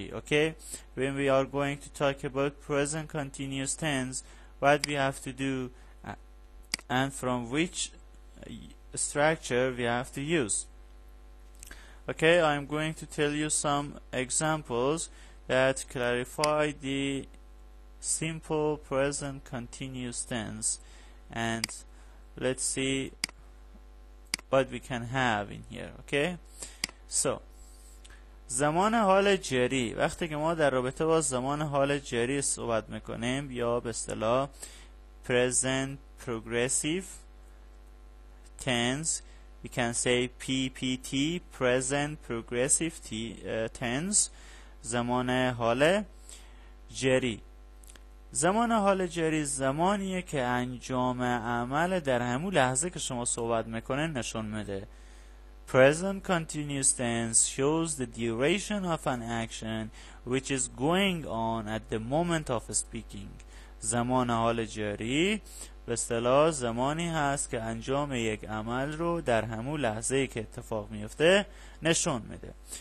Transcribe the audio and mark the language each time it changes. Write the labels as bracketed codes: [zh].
[en] Okay, when we are going to talk about present continuous tense, what we have to do and from which structure we have to use. Okay, I'm going to tell you some examples that clarify the simple present continuous tense, and let's see what we can have in here. Okay, so [fa] زمان حال جری، وقتی که ما در رابطه با زمان حال جری صحبت میکنیم یا به اصطلاح [en] present progressive tense، we can say PPT present progressive tense، [fa] زمان حال جری. زمان حال جری زمانیه که انجام عمل در همون لحظه که شما صحبت میکنه نشون میده. [en] Present continuous tense shows the duration of an action which is going on at the moment of speaking. [fa] زمان حال جری به اصطلاح زمانی هست که انجام یک عمل رو در همون لحظه که اتفاق میفته نشون میده.